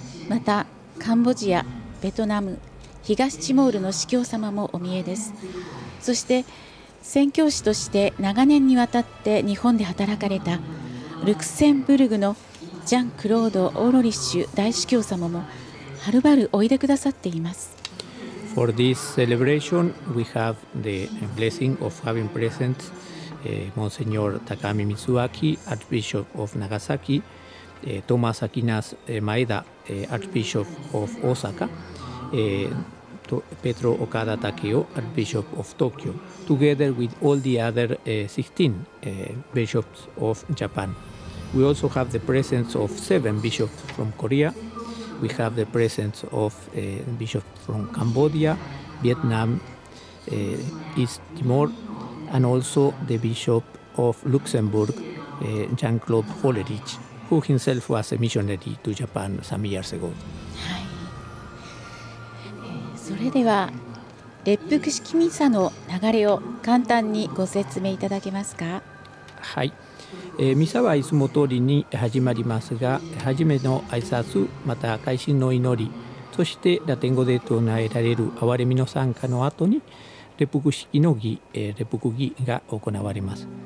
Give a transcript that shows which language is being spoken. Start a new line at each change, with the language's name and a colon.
Japanese: またカンボジア、ベトナム、東チモールの司教様もお見えです。そして宣教師として長年にわたって日本で働かれたルクセンブルグのジャン・クロード・オーロリッシュ大司教様もはるばるおいでくださっています。
English: For this celebration, we have the blessing of having present Monsignor Takami Mitsuaki, Archbishop of Nagasaki, Thomas Akinas Maeda, Archbishop of Osaka, Pedro Okada Takeo, Archbishop of Tokyo, together with all the other 16 bishops of Japan. We also have the presence of 7 bishops from Korea. We have the presence of bishops from Cambodia, Vietnam, East Timor, and also the bishop of Luxembourg, Jean-Claude Hollerich, who himself was a missionary to Japan some years ago.
Japanese: それでは列福式ミサの流れを簡単にご説明いただけますか。はい。ミサはいつも通りに始まりますが、初めの挨拶、また会心の祈り、そしてラテン語で唱えられる憐れみの讃歌の後に列福式の儀、列福儀が行われます。